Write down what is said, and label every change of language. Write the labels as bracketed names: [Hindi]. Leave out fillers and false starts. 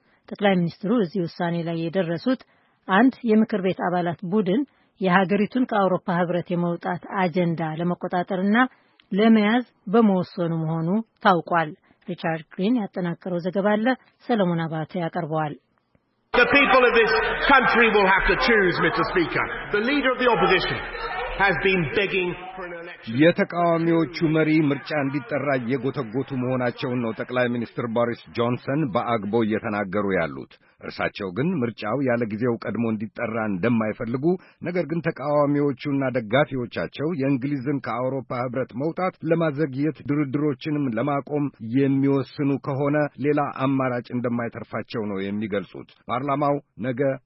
[Amharic] ጠቅላይ ሚኒስትሩ እዚህ ውሳኔ ላይ የደረሱት አንድ የምክር ቤት አባላት ቡድን የሀገሪቱን ከአውሮፓ ህብረት የመውጣት አጀንዳ ለመቆጣጠርና ለመያዝ በመወሰኑ መሆኑ ታውቋል። ሪቻርድ ግሪን ያጠናቀረው ዘገባ አለ፣ ሰለሞን አባተ ያቀርበዋል። [English] The people of this country will have to choose, Mr. Speaker. The leader of the opposition has been begging for an election. [Amharic] የተቃዋሚዎቹ መሪ ምርጫ እንዲጠራ የጎተጎቱ መሆናቸውን ነው ጠቅላይ ሚኒስትር ቦሪስ ጆንሰን በአግቦ እየተናገሩ ያሉት። እርሳቸው ግን ምርጫው ያለ ጊዜው ቀድሞ እንዲጠራ እንደማይፈልጉ፣ ነገር ግን ተቃዋሚዎቹና ደጋፊዎቻቸው የእንግሊዝን ከአውሮፓ ህብረት መውጣት ለማዘግየት ድርድሮችንም ለማቆም የሚወስኑ ከሆነ ሌላ አማራጭ እንደማይተርፋቸው ነው የሚገልጹት። ፓርላማው ነገ